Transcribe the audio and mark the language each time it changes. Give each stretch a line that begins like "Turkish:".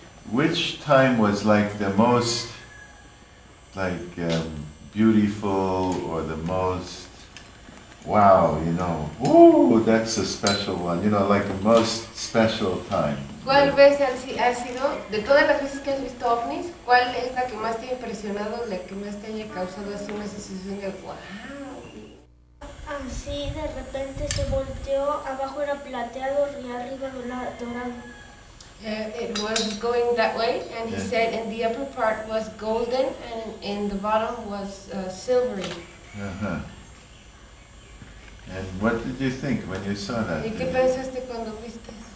English: Which time was like the most, like beautiful, or the most wow? You know, ooh, that's a special one. You know, like the most special time.
Spanish: ¿Cuál vez ha sido, de todas las veces que has visto ovnis, cuál es la que más te ha impresionado, la que más te haya causado así una sensación de wow? Así, de repente se volteó, abajo era plateado y arriba dorado.
English: It was going that way, and he said, and the upper part was golden, and in the bottom was silvery. Uh-huh. And what did you think when you saw that?
Spanish: ¿Y qué pensaste cuando viste?